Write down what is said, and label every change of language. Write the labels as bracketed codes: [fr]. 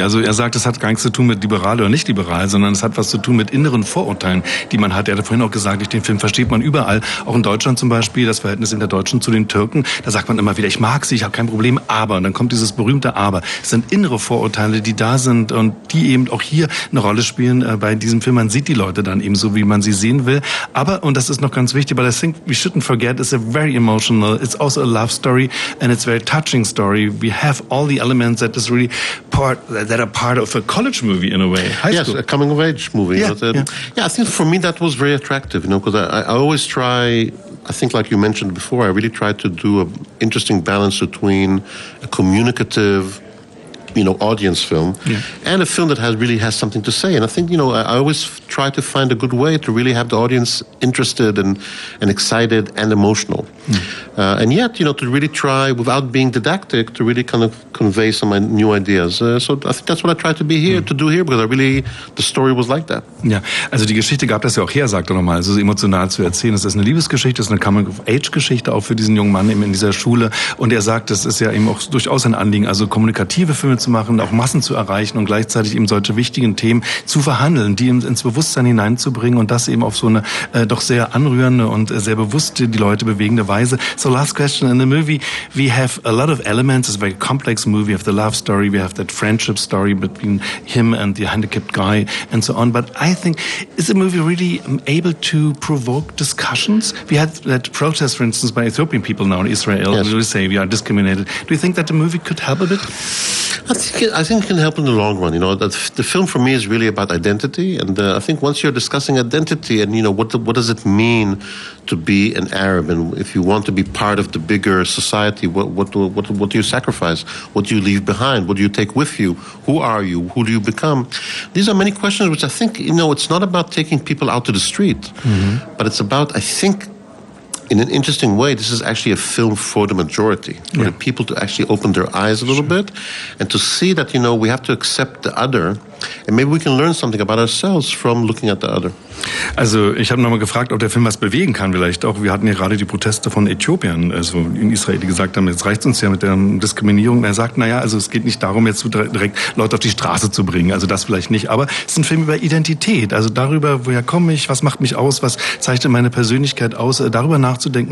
[de] Also er sagt, es hat gar nichts zu tun mit liberal oder nicht liberal, sondern es hat was zu tun mit inneren Vorurteilen, die man hat. Er hat vorhin auch gesagt, durch den Film versteht man überall, auch in Deutschland zum Beispiel, das Verhältnis in der Deutschen zu den Türken. Da sagt man immer wieder, ich mag sie, ich habe kein Problem, aber. Und dann kommt dieses berühmte Aber. Es sind innere Vorurteile, die da sind und die eben auch hier eine Rolle spielen bei diesem Film. Man sieht die Leute dann eben so, wie man sie sehen will. Aber, und das ist noch ganz wichtig, [en] but I think we shouldn't forget, it's a very emotional, it's also a love story and it's very touching story. We have all the elements that is really part that are part of a college movie in a way. A coming of age movie. I think for me that was very attractive, you know, because I always try. I think, like you mentioned before, I really try to do an interesting balance between a communicative you know, audience film, yeah. and a film that really has something to say. And I think, you know, I always try to find a good way to really have the audience interested and excited and emotional. Mm. And yet, you know, to really try, without being didactic, to really kind of convey some of my new ideas. So I think that's what I try to be here, mm. to do here, because I really, the story was like that. [de] Ja, also die Geschichte gab das ja auch her, sagt er nochmal, also so emotional zu erzählen. Es ist eine Liebesgeschichte, es ist eine Coming-of-Age-Geschichte auch für diesen jungen Mann eben in dieser Schule. Und er sagt, das ist ja eben auch durchaus ein Anliegen, also kommunikative Filme zu machen, auch Massen zu erreichen und gleichzeitig eben solche wichtigen Themen zu verhandeln, die ins Bewusstsein hineinzubringen und das eben auf so eine doch sehr anrührende und sehr bewusste, die Leute bewegende Weise. [en] So last question, in the movie we have a lot of elements, it's a very complex movie, we have the love story, we have that friendship story between him and the handicapped guy and so on, but I think, is the movie really able to provoke discussions? We had that protest, for instance, by Ethiopian people now in Israel, yes. and we say we are discriminated. Do you think that the movie could help a bit? I think it can help in the long run. You know, the film for me is really about identity, and I think once you're discussing identity and, you know, what does it mean to be an Arab, and if you want to be part of the bigger society, what do you sacrifice? What do you leave behind? What do you take with you? Who are you? Who do you become? These are many questions which I think, you know, it's not about taking people out to the street, mm-hmm. but it's about, I think, in an interesting way, this is actually a film for the majority, for yeah. the people to actually open their eyes a little sure. bit and to see that, you know, we have to accept the other. And maybe we can learn something about ourselves from looking at the other. [de] Also, ich habe nochmal gefragt, ob der Film was bewegen kann, vielleicht auch. Wir hatten ja gerade die Proteste von Äthiopiern, also in Israel, die gesagt haben, jetzt reicht's uns ja mit der Diskriminierung. Er sagt, naja, also es geht nicht darum, jetzt direkt Leute auf die Straße zu bringen. Also das vielleicht nicht. Aber es ist ein Film über Identität. Also darüber, woher komme ich, was macht mich aus, was zeichnet meine Persönlichkeit aus, darüber nachzudenken.